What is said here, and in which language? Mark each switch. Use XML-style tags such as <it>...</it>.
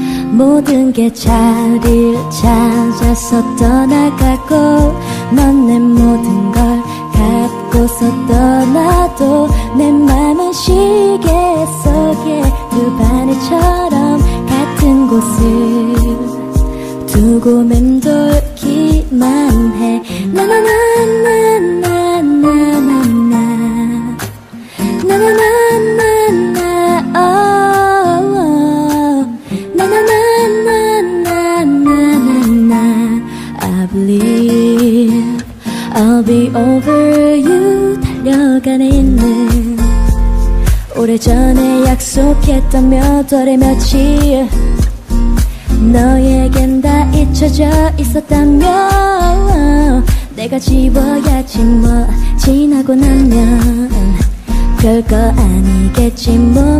<ko>모든 게 자리를 찾아서 떠나가고, 넌 내 모든 걸 갚고서 떠나도 내 맘은 시계 속에 두 바늘처럼 같은 곳을 두고 맴돌기만 해. 나나나나나나나나나 나나나나나 oh na-na-na-na-na-na-na.</ko> <en>I believe I'll be over you.</en> <ko>달려가네 있는 오래전에 약속했던 몇 월의 며칠, 너에겐 다 잊혀져 있었다면 내가 지워야지 뭐. 지나고 나면 별거 아니겠지 뭐.</ko>